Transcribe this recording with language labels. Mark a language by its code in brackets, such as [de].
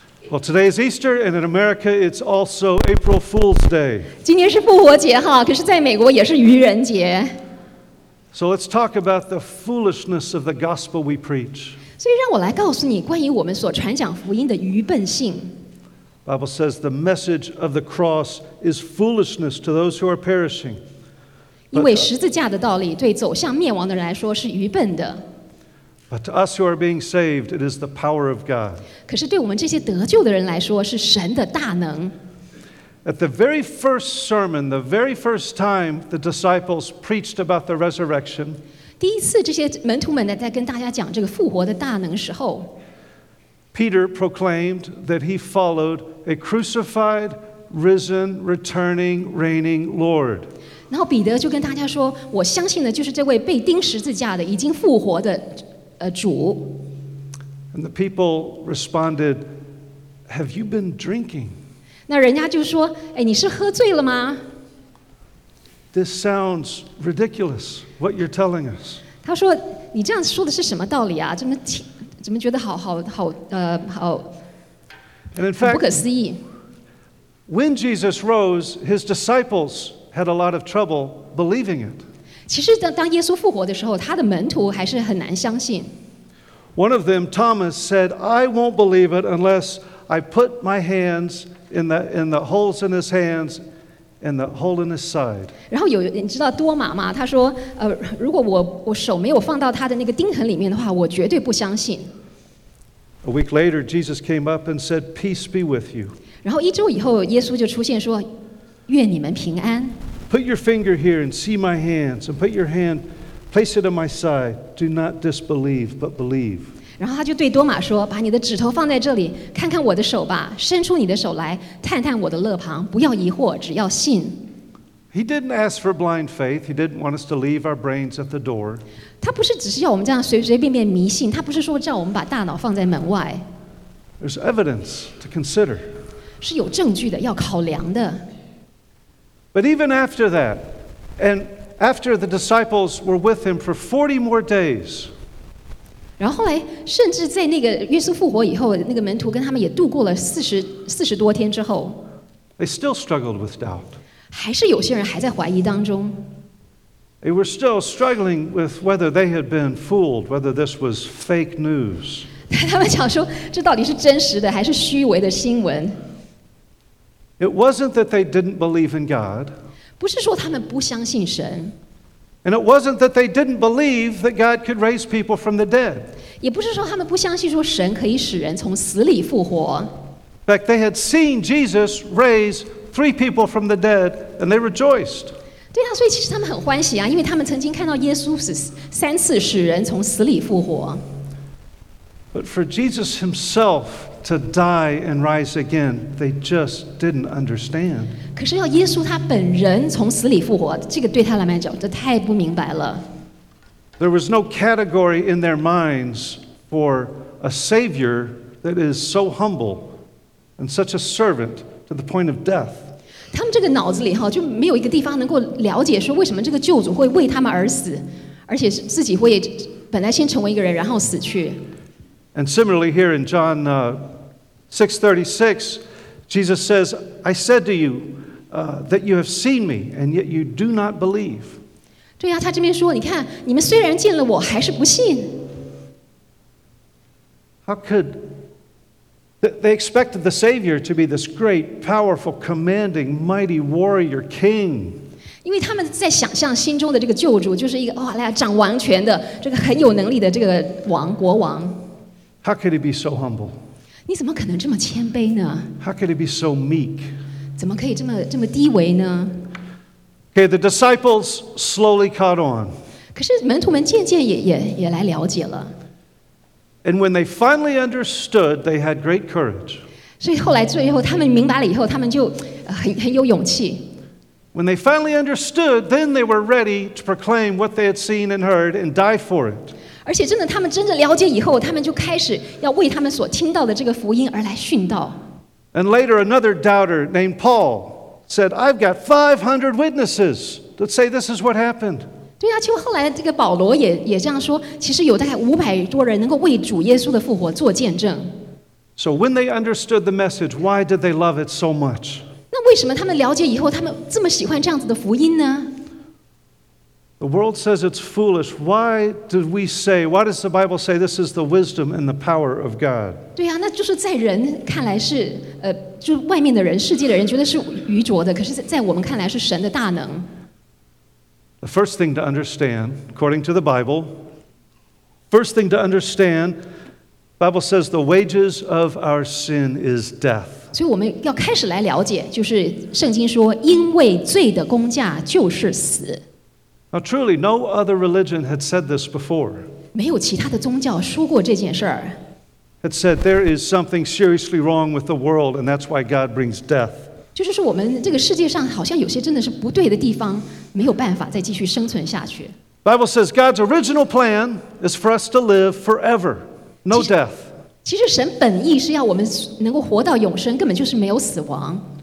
[en] Well, today is Easter, and in America, it's also April Fool's Day. [zh] 今天是复活节哈，可是在美国也是愚人节。 [en] So let's talk about the foolishness of the gospel we preach. [zh] 所以让我来告诉你关于我们所传讲福音的愚笨性。 [en] The Bible says the message of the cross is foolishness to those who are perishing. [zh] 因为十字架的道理对走向灭亡的人来说是愚笨的。 [en] But to us who are being saved, it is the power of God. [zh] 可是对我们这些得救的人来说，是神的大能。 [en] At the very first sermon, the very first time the disciples preached about the resurrection, [zh] 第一次这些门徒们呢，在跟大家讲这个复活的大能时候， [en] Peter proclaimed that he followed a crucified, risen, returning, reigning Lord. [zh] 然后彼得就跟大家说，我相信的就是这位被钉十字架的，已经复活的。 [en] And the people responded, "Have you been drinking?" [zh] 那人家就说，哎，你是喝醉了吗？ [en] This sounds ridiculous. What you're telling us? [zh] 他说，你这样说的是什么道理啊？怎么觉得好？ [en] And in fact, [zh] 不可思议。 [en] When Jesus rose, his disciples had a lot of trouble believing it. [zh] 其实当耶稣复活的时候，他的门徒还是很难相信。 [en] One of them, Thomas, said, "I won't believe it unless I put my hands in the holes in his hands and the hole in his side." [zh] 然后有你知道多马吗？他说，如果我手没有放到他的那个钉痕里面的话，我绝对不相信。 [en] A week later, Jesus came up and said, "Peace be with you." [zh] 然后一周以后，耶稣就出现说，愿你们平安。 [en] Put your finger here and see my hands, and put your hand, place it on my side. Do not disbelieve, but believe. [zh] 然后他就对多马说：“把你的指头放在这里，看看我的手吧。伸出你的手来，探探我的肋旁。不要疑惑，只要信。” [en] He didn't ask for blind faith. He didn't want us to leave our brains at the door. [zh] 他不是只是要我们这样随随便便迷信。他不是说叫我们把大脑放在门外。 [en] There's evidence to consider. [zh] 是有证据的，要考量的。 [en] But even after that, and after the disciples were with him for 40 more days, [zh] 然后后来，甚至在那个耶稣复活以后，那个门徒跟他们也度过了四十多天之后， [en] they still struggled with doubt. [zh] 还是有些人还在怀疑当中。 [en] They were still struggling with whether they had been fooled, whether this was fake news. [zh] 他们想说，这到底是真实的还是虚伪的新闻？ [en] It wasn't that they didn't believe in God. [zh] 不是说他们不相信神。 [en] And it wasn't that they didn't believe that God could raise people from the dead. [zh] 也不是说他们不相信说神可以使人从死里复活。 [en] In fact, they had seen Jesus raise 3 people from the dead, and they rejoiced. [zh] 对啊，所以其实他们很欢喜啊，因为他们曾经看到耶稣三次使人从死里复活。 [en] But for Jesus himself,To die and rise again, they just didn't understand. [zh] 可是要耶稣他本人从死里复活，这个对他来讲，这太不明白了。 [en] There was no category in their minds for a savior that is so humble and such a servant to the point of death. [zh] 他们这个脑子里哈就没有一个地方能够了解说为什么这个救主会为他们而死，而且自己会本来先成为一个人，然后死去。 [en] And similarly here in John 6:36, Jesus says, I said to you that you have seen me, and yet you do not believe. [zh] 对啊，他这边说，你看，你们虽然见了我，还是不信。 [en] How could they expected the Savior to be this great, powerful, commanding, mighty warrior king? [zh] 因为他们在想象心中的这个救主就是一个哇，来掌王权的这个很有能力的这个王国王。 [en] How could he be so humble? [zh] 你怎么可能这么谦卑呢? [en] How could he be so meek? [zh] 怎么可以这么低微呢? [en] Okay, the disciples slowly caught on. [zh] 可是门徒们渐渐也来了解了。 [en] And when they finally understood, they had great courage. [zh] 所以后来最后他们明白了以后，他们就很有勇气。 [en] When they finally understood, then they were ready to proclaim what they had seen and heard and die for it. [zh] 而且真的，他们真的了解以后，他们就开始要为他们所听到的这个福音而来殉道。 [en] And later, another doubter named Paul said, "I've got 500 witnesses that say this is what happened." [zh] 对啊，其实后来这个保罗 也这样说，其实有大概500多人能够为主耶稣的复活做见证。 [en] So when they understood the message, why did they love it so much? [zh] 那为什么他们了解以后，他们这么喜欢这样子的福音呢？ [en] The world says it's foolish. Why do we say, why does the Bible say this is the wisdom and the power of God? [zh] 对啊，那就是在人看来是就外面的人，世界的人觉得是愚拙的，可是在我们看来是神的大能。 [en] The first thing to understand, according to the Bible, first thing to understand, the Bible says the wages of our sin is death. [zh] 所以我们要开始来了解，就是圣经说，因为罪的工价就是死。 [en] Now truly, no other religion had said this before. [zh] 没有其他的宗教说过这件事儿。 [en] It said there is something seriously wrong with the world, and that's why God brings death. [zh] 就是说我们这个世界上好像有些真的是不对的地方，没有办法再继续生存下去。 [en] Bible says God's original plan is for us to live forever, no death. [zh] 其实神本意是要我们能够活到永生，根本就是没有死亡。